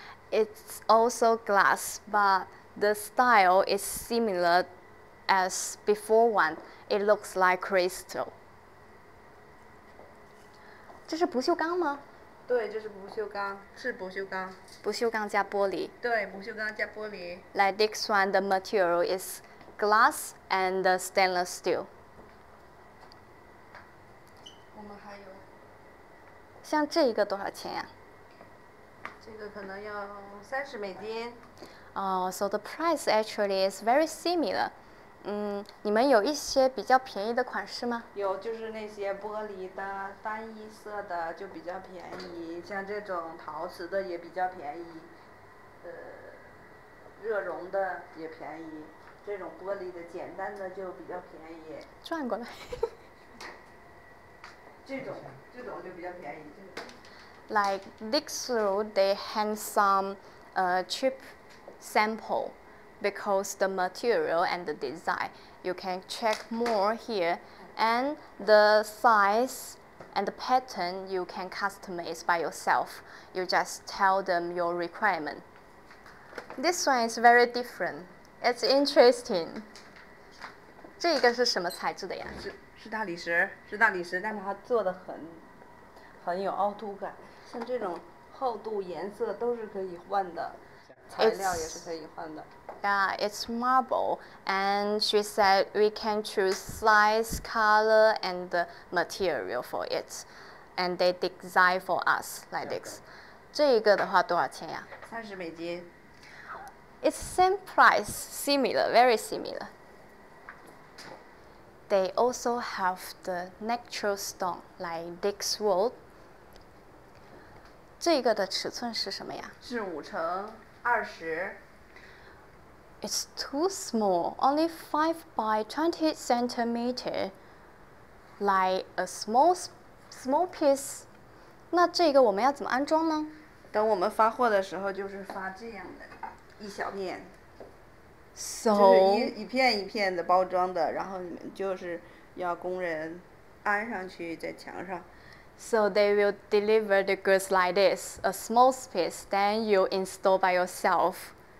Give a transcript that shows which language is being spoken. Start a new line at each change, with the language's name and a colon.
English: It's also glass, but the style is similar as before one. It looks like crystal.
Chinese: 这是不锈钢吗？对，这是不锈钢，是不锈钢。不锈钢加玻璃。对，不锈钢加玻璃。
English: Like this one, the material is glass and stainless steel.
Chinese: 我们还有。像这一个多少钱呀？这个可能要$30。
English: 哦，so the price actually is very similar.
Chinese: 你们有一些比较便宜的款式吗？有，就是那些玻璃的单一色的就比较便宜，像这种陶瓷的也比较便宜，热熔的也便宜，这种玻璃的简单的就比较便宜。转过来。这种就比较便宜。
English: Like this room, they hang some cheap sample because the material and the design. You can check more here, and the size and the pattern you can customize by yourself. You just tell them your requirement. This one is very different. It's interesting.
Chinese: 这个是什么材质的呀？是大理石，是大理石，但是它做的很有凹凸感。像这种厚度、颜色都是可以换的，材料也是可以换的。
English: Yeah, it's marble, and she said we can choose size, color, and the material for it, and they design for us like this.
Chinese: 这一个的话多少钱呀？ $30。
English: It's same price, similar, very similar. They also have the natural stone like this wood.
Chinese: 这个的尺寸是什么呀？是5×20。
English: It's too small, only 5×20cm, like a small piece.
Chinese: 那这个我们要怎么安装呢？等我们发货的时候，就是发这样的一小片，
English: so,
Chinese: 就是一片的包装的，然后你们就是要工人安上去在墙上。
English: So they will deliver the goods like this, a small space, then you install by yourself.